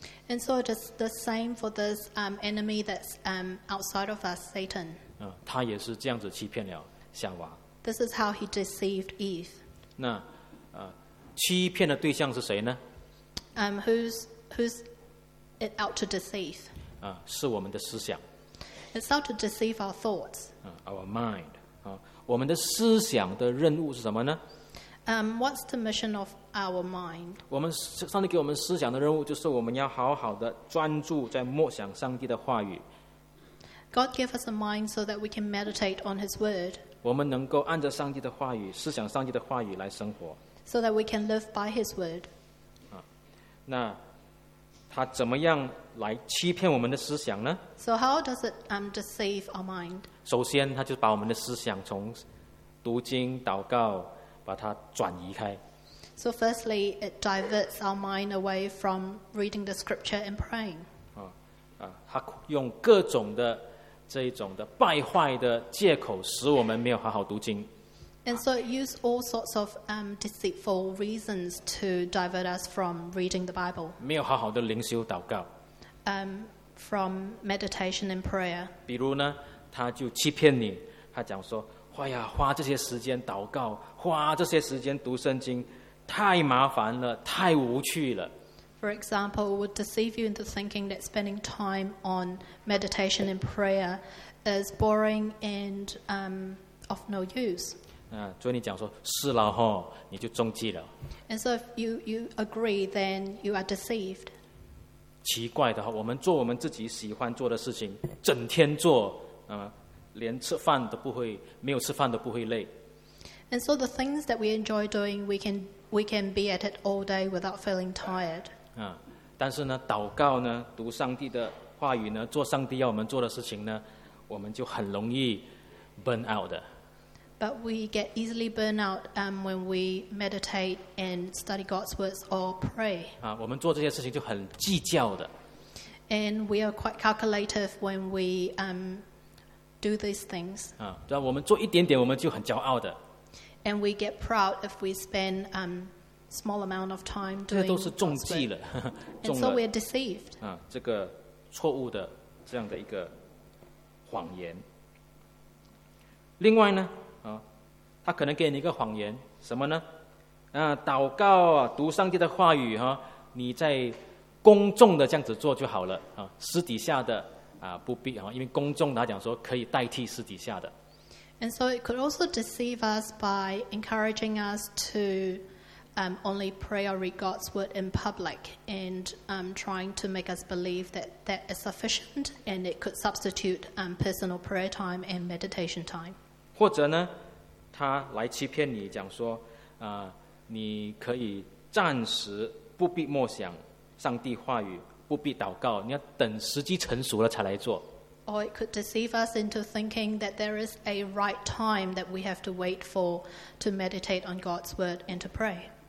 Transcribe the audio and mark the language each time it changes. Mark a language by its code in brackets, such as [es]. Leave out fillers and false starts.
[en] And so it is the same for this enemy that's outside of us, Satan. [zh] 他也是这样子欺骗了夏娃。 [en] This is how he deceived Eve. [zh] 那欺骗的对象是谁呢？ [en] Who's it out to deceive? [zh] 是我们的思想。 [en] It's out to deceive our thoughts. Our mind. [zh] 我们的思想的任务是什么呢？ [en] What's the mission of our mind? [zh] 我们上帝给我们思想的任务就是我们要好好的专注在默想上帝的话语。 [en] God gave us a mind so that we can meditate on His word. [zh] 我们能够按着上帝的话语，思想上帝的话语来生活。 [en] So that we can live by His word. [zh] 那他怎么样来欺骗我们的思想呢？ [en] So how does it deceive our mind? [zh] 首先，他就把我们的思想从读经、祷告把它转移开。 [en] So firstly, it diverts our mind away from reading the scripture and praying. [zh] 他用各种的这一种的败坏的借口，使我们没有好好读经。 [en] And so it used all sorts of deceitful reasons to divert us from reading the Bible. [zh] 没有好好的灵修祷告。 [en] From meditation and prayer. [zh] 比如呢，他就欺骗你，他讲说，哎呀，花这些时间祷告，花这些时间读圣经，太麻烦了，太无趣了。 [en] For example, it would deceive you into thinking that spending time on meditation and prayer is boring and of no use. [zh] 所以你讲说是了哈，你就中计了。 [en] And so if you agree, then you are deceived. [zh] 奇怪的哈，我们做我们自己喜欢做的事情，整天做，连吃饭都不会，没有吃饭都不会累。 [en] And so the things that we enjoy doing, we can be at it all day without feeling tired. [zh] 但是呢，祷告呢，读上帝的话语呢，做上帝要我们做的事情呢，我们就很容易 [en] burn out [zh] 的。 [en] But we get easily burn out when we meditate and study God's words or pray. [zh] 我们做这些事情就很计较的。 [en] And we are quite calculative when we do these things. [zh] 对，我们做一点点，我们就很骄傲的。 [en] And we get proud if we spend small amount of time doing. [zh] 这都是中计了，中了。 [en] And so we're deceived. [zh] 这个错误的这样的一个谎言。另外呢，他可能给你一个谎言，什么呢？祷告啊，读上帝的话语哈、你在公众的这样子做就好了私底下的。不必因为公众他讲说可以代替私底下的。 [en] And so it could also deceive us by encouraging us to only pray or read God's word in public and trying to make us believe that that is sufficient and it could substitute personal prayer time and meditation time. [zh] 或者呢，他来欺骗你，讲说你可以暂时不必默想上帝话语。不必祷告，你要等时机成熟了才来做。 [en] or it could deceive us into thinking that there is a right time that we have to wait for to meditate on God's word and to pray.